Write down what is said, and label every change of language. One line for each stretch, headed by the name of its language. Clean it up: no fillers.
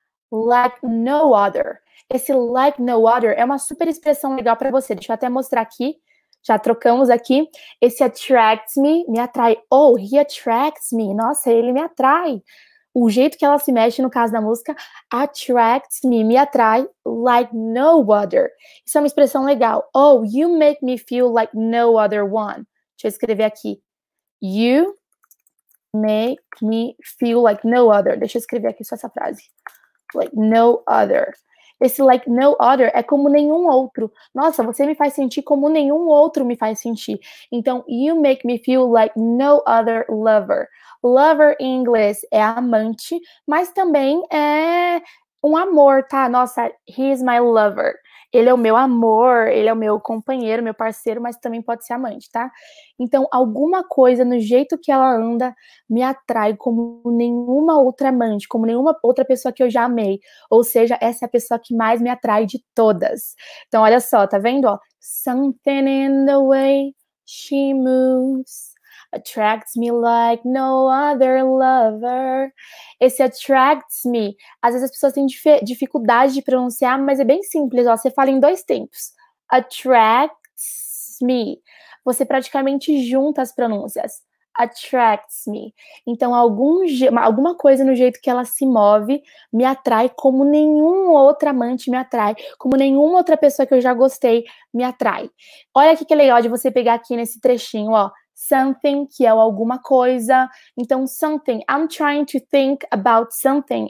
English: Like no other.
Portuguese: Esse
English: like no other
Portuguese: é uma super expressão legal pra você. Deixa eu até mostrar aqui. Já trocamos aqui. Esse
English: attracts me
Portuguese: atrai.
English: Oh, he attracts me.
Portuguese: Nossa, ele me atrai. O jeito que ela se mexe, no caso da música,
English: attracts me
Portuguese: atrai
English: like no other.
Portuguese: Isso é uma expressão legal.
English: Oh, you make me feel like no other one.
Portuguese: Deixa eu escrever aqui.
English: You make me feel like no other.
Portuguese: Deixa eu escrever aqui só essa frase.
English: Like no other.
Portuguese: Esse
English: like no other
Portuguese: é como nenhum outro. Nossa, você me faz sentir como nenhum outro me faz sentir. Então,
English: you make me feel like no other lover.
Portuguese: Lover em inglês é amante, mas também é um amor, tá? Nossa,
English: he's my lover.
Portuguese: Ele é o meu amor, ele é o meu companheiro, meu parceiro, mas também pode ser amante, tá? Então, alguma coisa no jeito que ela anda me atrai como nenhuma outra amante, como nenhuma outra pessoa que eu já amei. Ou seja, essa é a pessoa que mais me atrai de todas. Então, olha só, tá vendo? Ó,
English: something in the way she moves attracts me like no other lover.
Portuguese: Esse
English: attracts me,
Portuguese: às vezes as pessoas têm dificuldade de pronunciar, mas é bem simples, ó, você fala em dois tempos.
English: Attracts me.
Portuguese: Você praticamente junta as pronúncias.
English: Attracts me.
Portuguese: Então, alguma coisa no jeito que ela se move me atrai como nenhum outro amante me atrai, como nenhuma outra pessoa que eu já gostei me atrai. Olha o que é legal de você pegar aqui nesse trechinho, ó. something, que é o alguma coisa. Então,
English: something, I'm trying to think about something.